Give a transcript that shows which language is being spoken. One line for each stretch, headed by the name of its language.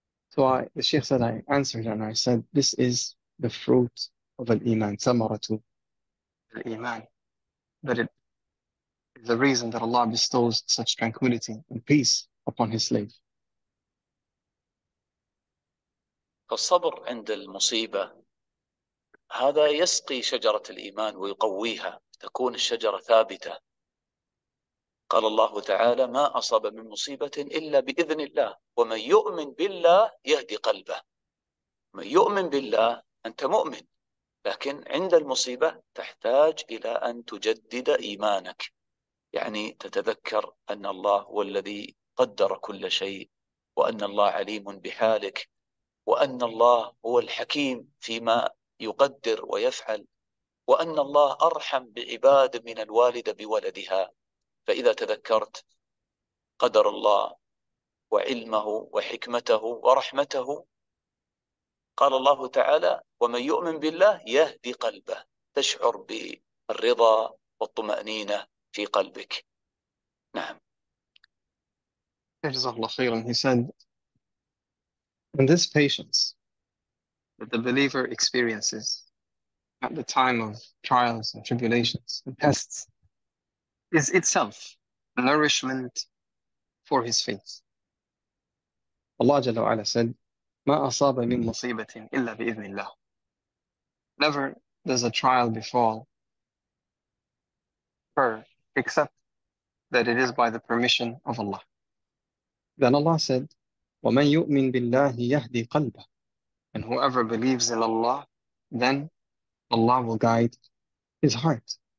English: So the Sheikh said, I answered and I said, this is the fruit of al-Iman,
Arabic: samaratu al-Iman.
English: That it is the reason that Allah bestows such tranquility and peace upon His slave.
Arabic: فالصبر عند المصيبة هذا يسقي شجرة الإيمان ويقويها، تكون الشجرة ثابتة. قال الله تعالى: ما أصاب من مصيبة إلا بإذن الله، ومن يؤمن بالله يهدي قلبه. من يؤمن بالله، أنت مؤمن، لكن عند المصيبة تحتاج إلى أن تجدد إيمانك، يعني تتذكر أن الله هو الذي قدر كل شيء، وأن الله عليم بحالك، وأن الله هو الحكيم فيما يقدر ويفعل، وأن الله أرحم بعباد من الوالدة بولدها. فإذا تذكرت قدر الله وعلمه وحكمته ورحمته، قال الله تعالى: ومن يؤمن بالله يهدي قلبه، تشعر بالرضا والطمأنينة في قلبك. نعم. جزاه الله خيرا.
English: He said, and this patience that the believer experiences at the time of trials and tribulations and tests is itself nourishment for his faith. Allah Jalla wa Ala said,
Arabic: ما أصاب من مصيبة إلا بإذن الله.
English: Never does a trial befall her except that it is by the permission of Allah. Then Allah said,
Arabic: وَمَنْ يُؤْمِنْ بِاللَّهِ يَهْدِي قَلْبَهُ.
English: And whoever believes in Allah, then Allah will guide his heart.